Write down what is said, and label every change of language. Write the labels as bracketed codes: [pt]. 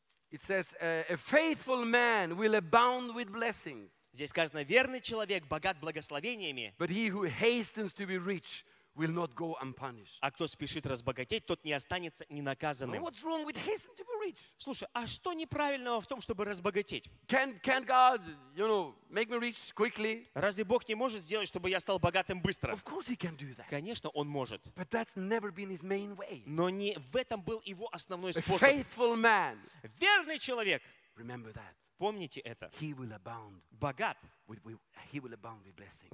[en] It says, a faithful man will abound with blessings. [ru] Здесь сказано, верный человек богат благословениями. [en] But he who hastens to be rich will not go unpunished. [ru] А кто спешит разбогатеть, тот не останется ненаказанным. [en] What's wrong with hastening to be rich? [ru] Слушай, а что неправильного в том, чтобы разбогатеть? [en] Can God, you know, make me rich quickly? [ru] Разве Бог не может сделать, чтобы я стал богатым быстро? [en] Of course he can do that. [ru] Конечно, он может. [en] But that's never been his main way. [ru] Но не в этом был его основной способ. [en] A faithful man. [ru] Верный человек. [en] Remember that. [ru] Помните это. [en] He will abound. [ru] Богат. [en] He will abound with blessings.